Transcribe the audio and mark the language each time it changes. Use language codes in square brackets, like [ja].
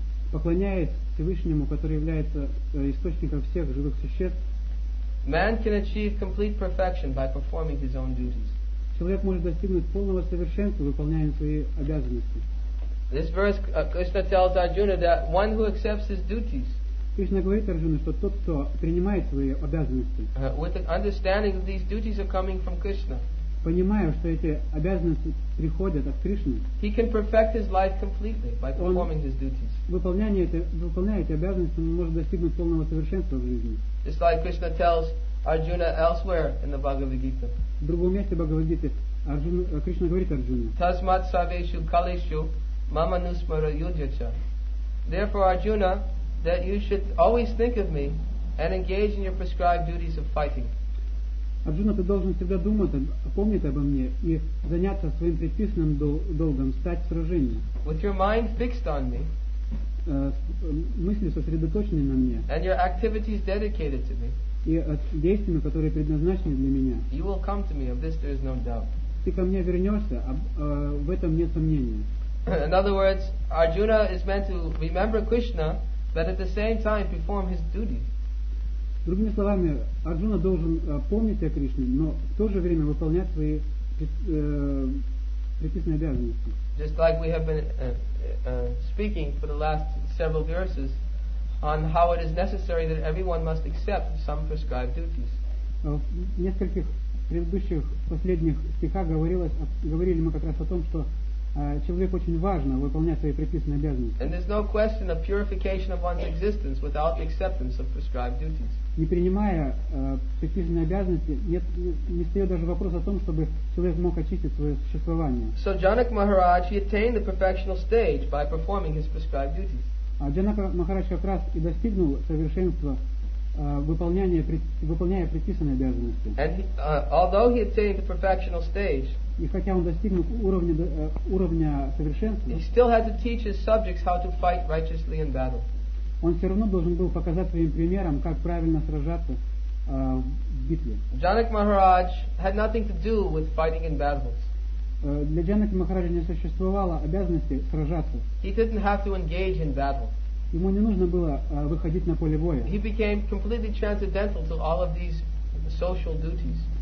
[ru] поклоняясь Всевышнему, который является источником всех живых существ, [en] man can achieve complete perfection by performing his own duties. [ru] Человек может достигнуть полного совершенства, выполняя свои обязанности. [en] This verse, Krishna tells Arjuna that one who accepts his duties, [ru] Кришна говорит Арджуне, что тот, кто принимает свои обязанности, [en] with an understanding that these duties are coming from Krishna, [ru] понимая, что эти обязанности приходят от Кришны, [en] he can perfect his life completely by performing his duties. [ru] Выполняя эти обязанности, он может достигнуть полного совершенства в жизни. [en] It's like Krishna tells Arjuna elsewhere in the Bhagavad Gita. [ru] В другом месте Бхагавад Гиты Кришна говорит Арджуне: [sa] Tasmat sarveshu kaleshu mama nusmara yujacha. [en] Therefore, Arjuna, that you should always think of me and engage in your prescribed duties of fighting. [ru] Арджуна, ты должен всегда помнить обо мне и заняться своим предписанным долгом, стать в сражении. [en] With your mind fixed on me, [ru] мысли сосредоточены на мне, [en] and your activities dedicated to me, [ru] и действиями, которые предназначены для меня, [en] you will come to me, of this there is no doubt. [ru] Ты ко мне вернешься, в этом нет сомнения. [en] In other words, Arjuna is meant to remember Krishna, but at the same time perform his duties. [ru] Другими словами, Арджуна должен помнить о Кришне, но в то же время выполнять свои предписанные обязанности. [en] Just like we have been speaking for the last several verses on how it is necessary that everyone must accept some prescribed duties. [ru] В нескольких предыдущих последних стихах говорили мы как раз о том, что человек очень важно выполнять свои предписанные обязанности. [en] And there's no question of purification of one's existence without the acceptance of prescribed duties. [ru] Не принимая предписанные обязанности, не стоит даже вопрос о том, чтобы человек мог очистить свое существование. [en] So Janak Maharaj, he attained the perfectional stage by performing his prescribed duties. [ru] А Джанак Махарадж как раз и достигнул совершенства, выполняя предписанные обязанности. [en] And although he attained the perfectional stage, [ru] и хотя он достигнул уровня совершенства, [en] he still had to teach his subjects how to fight righteously in battle. [ru] Он все равно должен был показать своим примером, как правильно сражаться в битве. [en] Janak Maharaj had nothing to do with fighting in battles. [ru] Для Джанаки Махараджа не существовало обязанности сражаться. [en] He didn't have to engage in battle. [ru] Ему не нужно было выходить на поле боя. [en] He became completely transcendental to all of these social duties.